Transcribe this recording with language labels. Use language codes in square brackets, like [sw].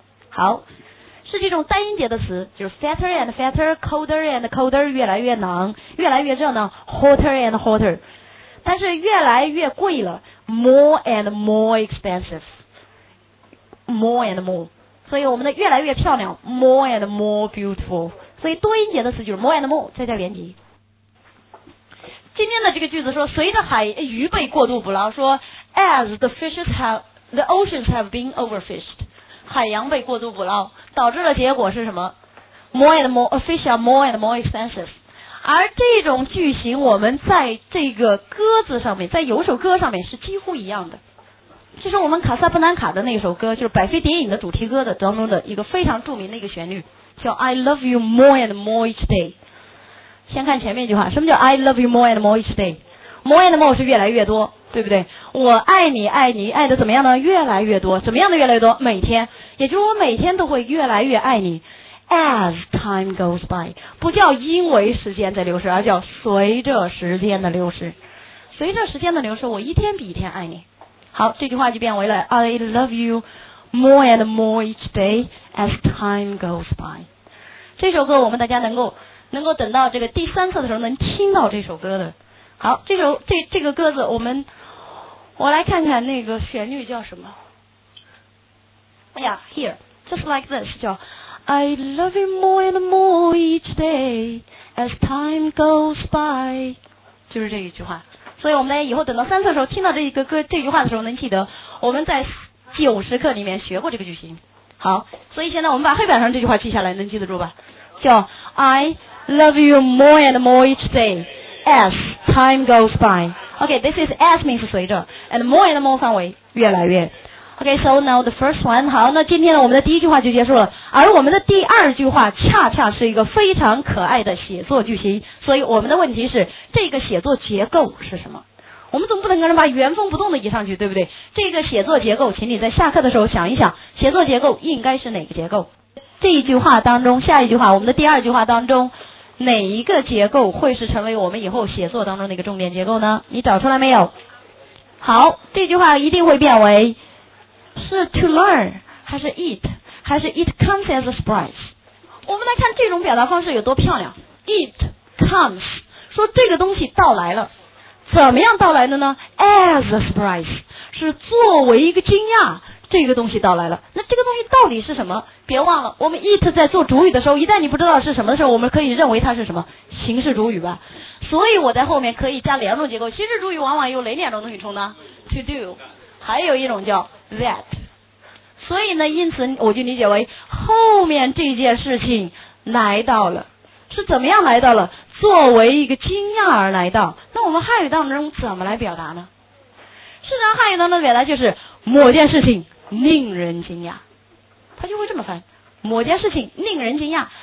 [zh] 好，是这种单音节的词，就是 [en] fatter and fatter, colder and colder, [zh] 越来越冷，越来越热呢 [en] hotter and hotter, [zh] 但是越来越贵了 [en] more and more expensive, [zh] 所以我们的越来越漂亮 [en] more and more beautiful, [zh] 所以多音节的词就是 [en] more and more, [zh] 再加连级。今天的这个句子说随着海鱼被过度捕捞，说 [en] as the fishes have, the oceans have been overfished, [zh] 海洋被过度捕捞导致的结果是什么？ [en] more and more, fish are more and more expensive。 [zh] 而这种句型我们在这个歌词上面，在有首歌上面是几乎一样的，其实我们卡萨布兰卡的那首歌，就是百飞电影的主题歌的当中的一个非常著名的一个旋律，叫 [en] I love you more and more each day。 [zh] 先看前面一句话，什么叫 [en] I love you more and more each day? More and more [zh] 是越来越多，对不对？我爱你爱你爱的怎么样呢？越来越多。怎么样的越来越多？每天，也就是我每天都会越来越爱你。 [en] As time goes by, [zh] 不叫因为时间在流逝，而叫随着时间的流逝。随着时间的流逝，我一天比一天爱你。好，这句话就变为了 [en] I love you more and more each day as time goes by。 [zh] 这首歌我们大家能够等到这个第三次的时候能听到这首歌的。好，这个歌子我来看看那个旋律叫什么。哎呀 [en] here, just like this, 叫I love you more and more each day as time goes by, 就是这一句话。 [zh] 所以我们在以后等到三次的时候听到这句话的时候能记得我们在90课里面学过这个句型。好，所以现在我们把黑板上这句话记下来，能记得住吧？ [en] 叫 I love you more and more each day as time goes by. OK, this is as means [zh] 随着 [en] and more [zh] 范围越来越。 [en] OK, so now the first one. [zh] 好，那今天呢，我们的第一句话就结束了。而我们的第二句话恰恰是一个非常可爱的写作句型。所以我们的问题是，这个写作结构是什么？我们总不能让人把原封不动的移上去，对不对？这个写作结构，请你在下课的时候想一想，写作结构应该是哪个结构？这一句话当中，下一句话，我们的第二句话当中，哪一个结构会是成为我们以后写作当中的一个重点结构呢？你找出来没有？好，这句话一定会变为是 [en] to learn [zh] 还是 eat 还是 [en] it comes as a surprise。 [zh] 我们来看这种表达方式有多漂亮。 [en] it comes [zh] 说这个东西到来了，怎么样到来的呢？ [en] As a surprise [zh] 是作为一个惊讶，这个东西到来了。那这个东西到底是什么？别忘了，我们 it 在做主语的时候，一旦你不知道是什么的时候，我们可以认为它是什么形式主语吧。所以我在后面可以加两种结构。形式主语往往有哪两种东西冲呢？ to do， 还有一种叫 that。所以呢，因此我就理解为后面这件事情来到了，是怎么样来到了？作为一个惊讶而来到。那我们汉语当中怎么来表达呢？事实上汉语当中的表达就是某件事情令人惊讶，它就会这么翻，某件事情令人惊讶。